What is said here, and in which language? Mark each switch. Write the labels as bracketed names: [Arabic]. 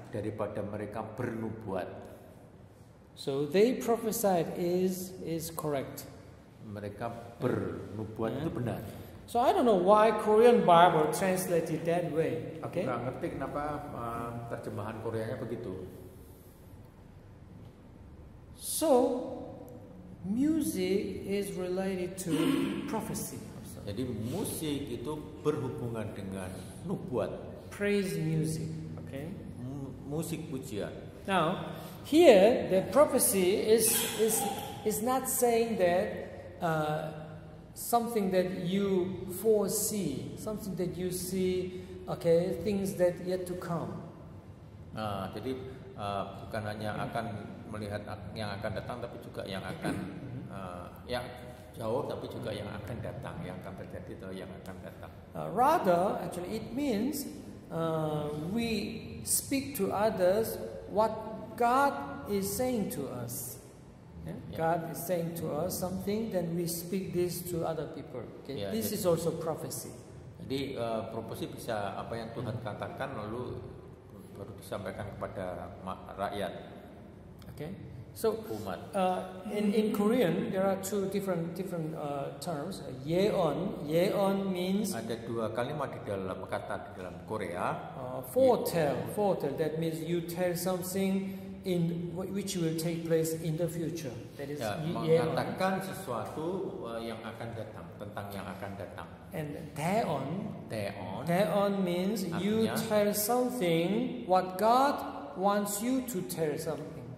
[Indonesian] Daripada mereka bernubuat. [English] So they prophesied is correct. [Indonesian] Mereka bernubuat itu benar. [English] So I don't know why Korean Bible translated that way. [Indonesian] Okay. Aku nggak ngerti kenapa terjemahan Koreanya begitu. [English] So music is related to prophecy. [Indonesian] Jadi musik itu berhubungan dengan nubuat. [English] Praise music. Okay. [Indonesian] Musik pujian. [English] Now. Here, the prophecy is not saying that something that you foresee, something that you see, okay, things that yet to come. [Indonesian] Jadi bukan hanya akan melihat yang akan datang, tapi juga yang akan yang jauh, tapi juga yang akan datang, yang akan terjadi atau yang akan datang. [English] Rather, actually, it means we speak to others what God is saying to us. God is saying to us something, then we speak this to other people. Okay? Yeah, this is also prophecy. [Indonesian] Jadi prophecy bisa apa yang Tuhan katakan lalu baru disampaikan kepada rakyat. [English] Okay. So umat. In Korean there are two different terms. Yeon. Yeon means [Indonesian] ada dua kalimat di dalam kata di dalam Korea. [English] Foretell. Foretell that means you tell something in which will take place in the future. That is, [Indonesian] mengatakan sesuatu yang akan datang, tentang yang akan datang. [English] And theon, theon, theon means you tell something what God wants you to tell something.